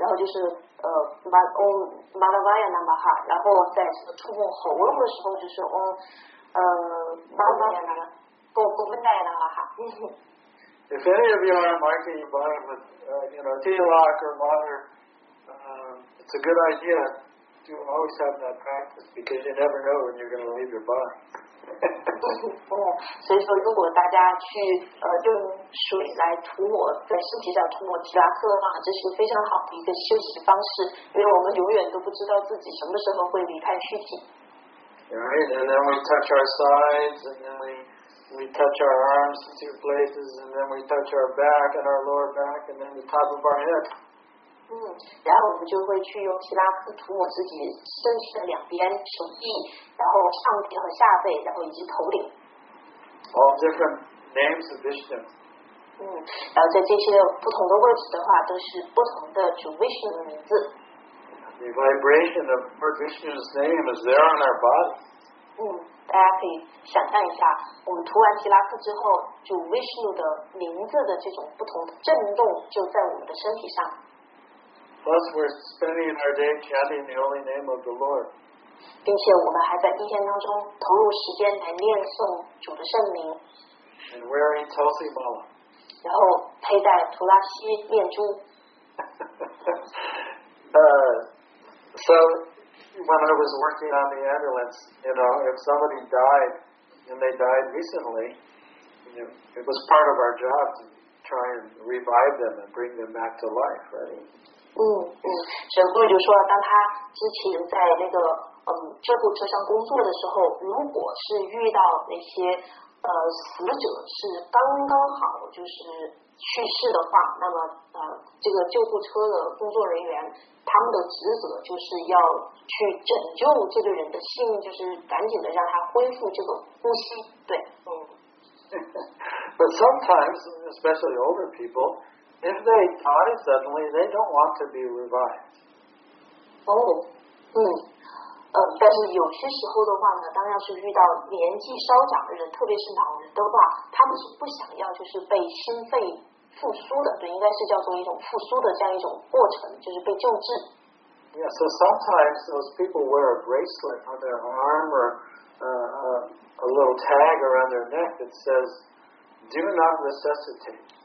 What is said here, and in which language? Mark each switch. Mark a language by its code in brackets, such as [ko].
[zh] 然后就是。 [sa] Om Madhavaya Namaha， [zh] 然后在这个触碰喉咙的时候，就是 [sa] Om Madhavaya Namaha， Govindaya Namaha。 [en] If any of you are marking your bottom with, Tilak or Mother, it's a good idea to always have that practice because you never know when you're going to leave your body. [zh] 所以说，如果大家去用水来涂抹在身体上涂抹提拉克的话，这是非常好的一个休息的方式，因为我们永远都不知道自己什么时候会离开躯体。 [en] Right, and then we touch our sides, and then we touch our arms in two places, and then we touch our back and our lower back, and then the top of our head. [zh] 然后我们就会去用提拉克涂抹自己身体的两边，手臂，然后上臂和下背，然后以及头顶。 [en] All different names of Vishnu. [zh] 然后在这些不同的位置的话，都是不同的主 Vishnu 的名字。 [en] The vibration of Vishnu's name is there on our body. [zh] 大家可以想象一下，我们涂完提拉克之后，主 Vishnu 的名字的这种不同的震动就在我们的身体上。 [en] Plus, we're spending our day chanting the holy name of the Lord. [zh] 并且我们还在一天当中投入时间来念诵主的圣名。 [en] And wearing Tulsi Mala. [zh] 然后佩戴图拉西念珠。 [en] So, when I was working on the ambulance, if somebody died, and they died recently, it was part of our job to try and revive them and bring them back to life, right? [zh] 沈慧就说，当他之前在那个救护车上工作的时候，如果是遇到那些死者是刚刚好就是去世的话，那么这个救护车的工作人员他们的职责就是要去拯救这个人的性命，就是赶紧的让他恢复这个呼吸。对， [en] But sometimes, especially older people. If they die suddenly, they don't want to be revived. [zh] 但是有些时候的话呢，当要是遇到年纪稍长的人，特别是老人的话，他们是不想要就是被心肺复苏的，对，应该是叫做一种复苏的这样一种过程，就是被救治。 [en] Yeah, so sometimes those people wear a bracelet on their arm or a little tag around their neck that says, "Do not resuscitate."